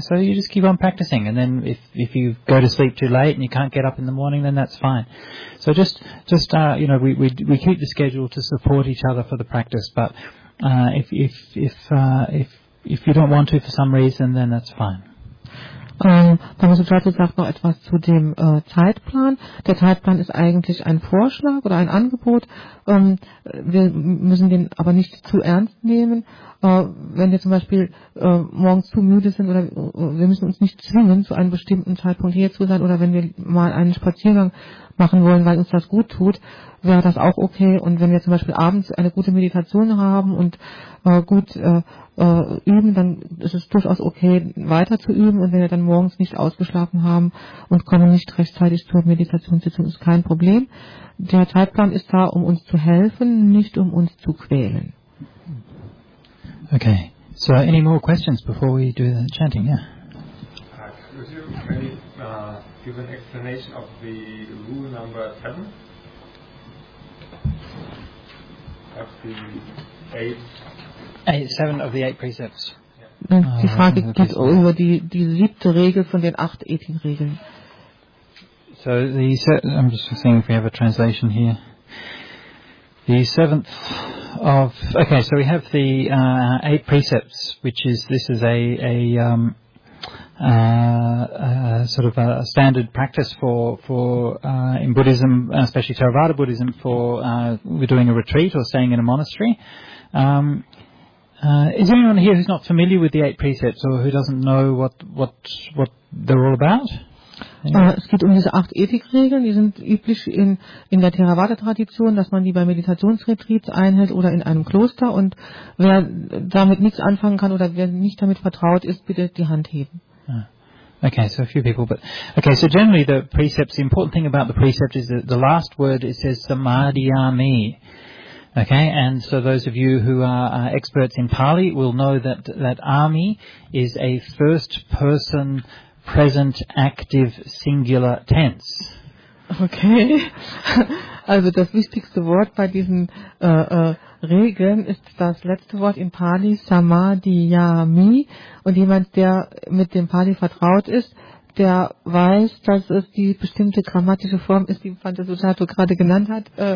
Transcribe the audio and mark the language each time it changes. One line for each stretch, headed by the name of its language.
English: So you just keep on practicing. And then if you go to sleep too late and you can't get up in the morning, then that's fine. So we keep the schedule to support each other for the practice. But if you don't want to for some reason, then that's fine.
German: Panasutatu sagt noch etwas zu dem Zeitplan. Der Zeitplan ist eigentlich ein Vorschlag oder ein Angebot. Wir müssen den aber nicht zu ernst nehmen. Wenn wir zum Beispiel morgens zu müde sind, oder wir müssen uns nicht zwingen, zu einem bestimmten Zeitpunkt hier zu sein, oder wenn wir mal einen Spaziergang machen wollen, weil uns das gut tut, wäre das auch okay. Und wenn wir zum Beispiel abends eine gute Meditation haben und üben, dann ist es durchaus okay, weiter zu üben. Und wenn wir dann morgens nicht ausgeschlafen haben und kommen nicht rechtzeitig zur Meditationssitzung, ist kein Problem. Der Zeitplan ist da, um uns zu helfen, nicht um uns zu quälen.
English: Okay. So, any more questions before we do the chanting? Yeah. Could you maybe give an explanation of the rule number 7? Of the 7 of the 8 precepts. Yeah.
German: Die Frage geht über die siebte Regel von den 8 ethischen Regeln.
English: So, I'm just seeing if we have a translation here. The seventh of... Okay, so we have the 8 precepts, which is... This is a standard practice for in Buddhism, especially Theravada Buddhism, for doing a retreat or staying in a monastery. Is anyone here who's not familiar with the 8 precepts or who doesn't know what they're all about?
German: Es geht um diese 8 Ethikregeln, die sind üblich in der Theravada-Tradition, dass man die bei Meditationsretreats einhält oder in einem Kloster. Und wer damit nichts anfangen kann oder wer nicht damit vertraut ist, bitte die Hand heben.
English: Ah. Okay, so a few people. So generally the precepts, the important thing about the precept is that the last word, it says Samadhiyami. Okay, and so those of you who are experts in Pali will know that Ami is a first person present active singular tense. Okay.
German: Also das wichtigste Wort bei diesen Regeln ist das letzte Wort in Pali, Samadhiyami. Und jemand, der mit dem Pali vertraut ist, der weiß, dass es die bestimmte grammatische Form ist, die Fantasuchato gerade genannt hat.